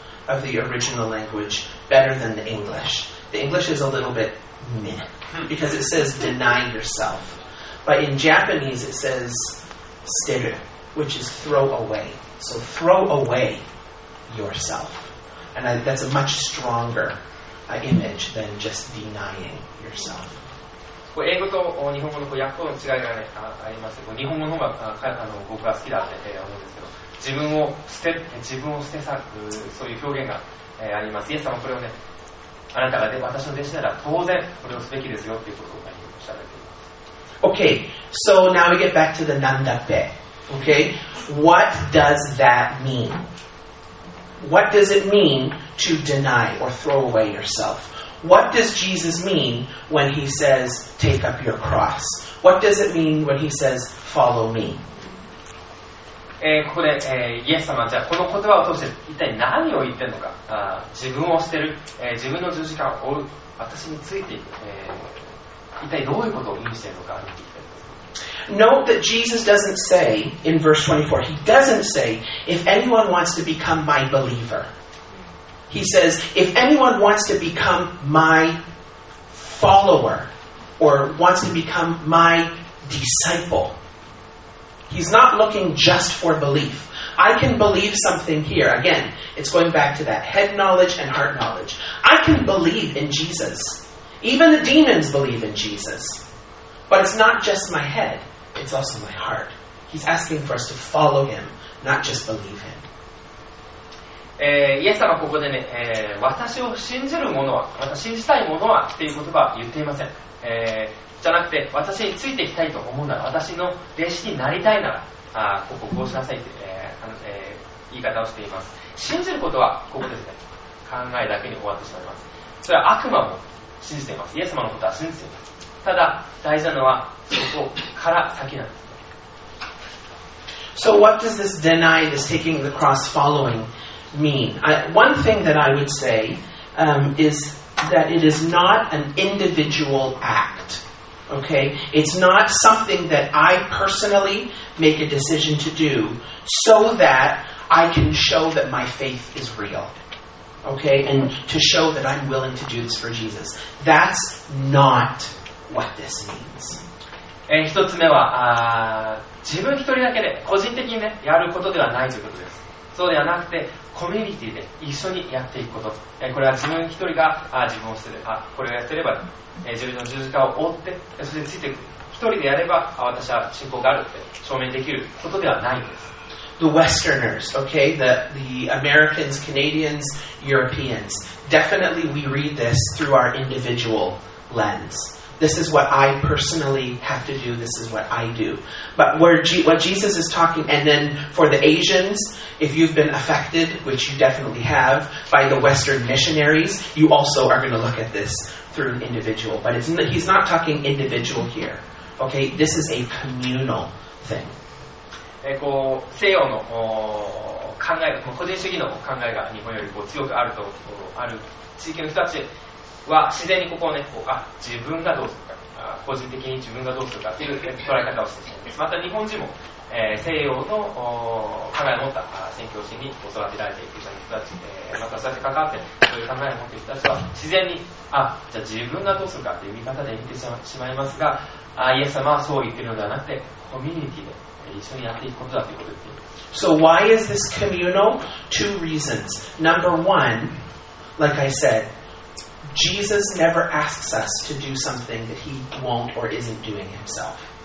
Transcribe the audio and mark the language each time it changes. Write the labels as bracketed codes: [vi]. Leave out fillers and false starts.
[en] of the original language better than the English. The English is a little bit meh, because it says deny yourself. But in Japanese it says stiru, which is throw away. So throw away yourself. And that's a much stronger image than just denying yourself. [ja] こう英語と日本語のこう訳との違いが、ね、ありまして、こう日本語の方がああの僕は好きだって、思うんですけど、自分を捨て去る、そういう表現が、あります。イエス様はこれをね、あなたが私の弟子なら当然これをすべきですよということをおっしゃられています。 [en] Okay, so now we get back to the nandape. Okay, what does that mean? What does it mean to deny or throw away yourself? What does Jesus mean when he says, take up your cross? What does it mean when he says, follow me? [ja] ここで、イエス様、じゃあこの言葉を通して一体何を言ってるのか。自分を捨てる、自分の十字架を追う、私についていく、一体どういうことを意味しているのか。 [en] Note that Jesus doesn't say, in verse 24, he doesn't say, if anyone wants to become my believer... He says, if anyone wants to become my follower or wants to become my disciple, he's not looking just for belief. I can believe something here. Again, it's going back to that head knowledge and heart knowledge. I can believe in Jesus. Even the demons believe in Jesus. But it's not just my head. It's also my heart. He's asking for us to follow him, not just believe him. [ja] イエス様はここでね、私を信じる者は、また信じたい者はっていう言葉は言っていません、じゃなくて私についていきたいと思うなら私の弟子になりたいならあこここうしなさいって、言い方をしています。信じることはここですね、考えだけに終わってしまいます。それは悪魔も信じています。イエス様のことは信じています。ただ大事なのはそこから先なんです。 [en] So what does this deny, this taking the cross followingmean? One thing that I would say is that it is not an individual act. Okay? It's not something that I personally make a decision to do so that I can show that my faith is real. Okay? And to show that I'm willing to do this for Jesus. That's not what this means. [ja] 一つ目は、自分一人だけで個人的に、ね、やることではないということです。そうではなくてコミュニティで一緒にやっていくこと、これは自分一人が自分を捨てる、これをやってれば、自分の十字架を追ってそれについていく、一人でやれば私は信仰があるって証明できることではないんです。 [en] The Westerners, okay, the Americans, Canadians, Europeans, definitely we read this through our individual lens. This is what I personally have to do, this is what I do. But what Jesus is talking, and then for the Asians,If you've been affected, which you definitely have, by the Western missionaries, you also are going to look at this through an individual. But he's not talking individual here. Okay, this is a communal thing. [ja] 西洋の考え、個人主義の考えが日本よりこう強くあるとある地域の人たちは自然にここをね、こう自分がどうするか、個人的に自分がどうするかという捉え方をしてしまうんです。また日本人も。西洋の考えを持った宣教師に育てられていく人たち、またそうやって関わってそういう考えを持っている人たちは自然にじゃあ自分がどうするかという見方で見てしまいますが、イエス様はそう言っているのではなくてコミュニティで一緒にやっていくことだということを言っています。 [en] So why is this communal? Two reasons. Number one, like I said, Jesus never asks us to do something that he won't or isn't doing himself.